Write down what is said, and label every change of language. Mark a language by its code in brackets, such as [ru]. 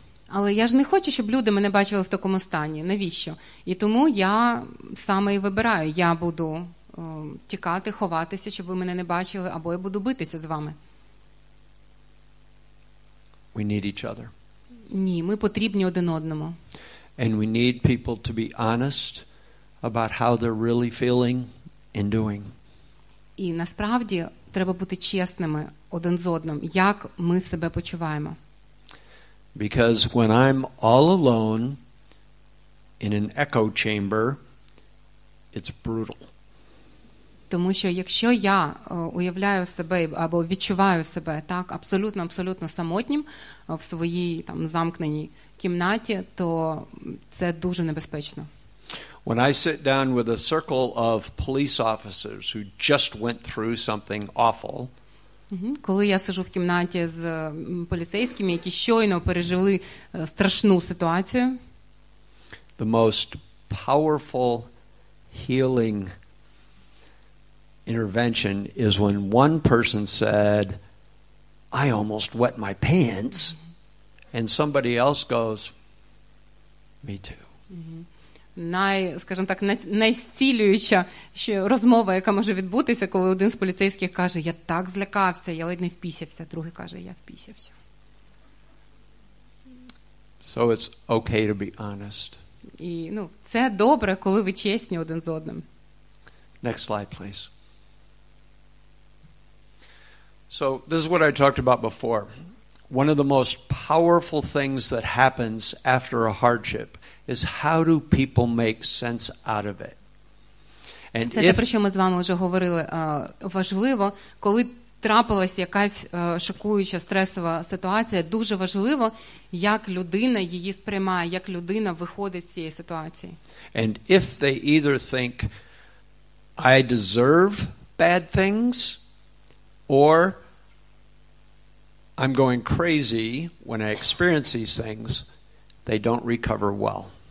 [uk] Але я ж не хочу, щоб люди мене бачили в такому стані. Навіщо? І тому я саме і вибираю. Я буду тікати, ховатися, щоб ви мене не бачили, або я буду битися з вами. [en] We need each other. [uk] Ні, ми потрібні один одному. [en] And we need people to be honest about how they're really feeling and doing. [uk] І насправді треба бути чесними один з одним, як ми себе почуваємо. [en] Because when I'm all alone in an echo chamber, it's brutal. [uk] Тому що якщо я уявляю себе або відчуваю себе так абсолютно самотнім в своїй там замкненій кімнаті, то це дуже небезпечно. [en] When I sit down with a circle of police officers who just went through something awful, [uk] коли я сиджу в кімнаті з поліцейськими, які щойно пережили страшну ситуацію, [en] the most powerful healing intervention is when one person said, I almost wet my pants, and somebody else goes, me too. [uk] Скажімо так, найзцілююча розмова, яка може відбутися, коли один з поліцейських каже, я так злякався, я ледь не впісявся. Другий каже, я впісявся. [en] So it's okay to be honest. [uk] І, ну, це добре, коли ви чесні один з одним. [en] Next slide, please. So this is what I talked about before. One of the most powerful things that happens after a hardship is how do people make sense out of it. And [uk] це те, про що ми з вами вже говорили. Важливо, коли трапилась якась шокуюча стресова ситуація, дуже важливо, як людина її сприймає, як людина виходить з цієї ситуації. [en] And if they either think I deserve bad things or I'm going crazy when I experience these things, they don't recover well.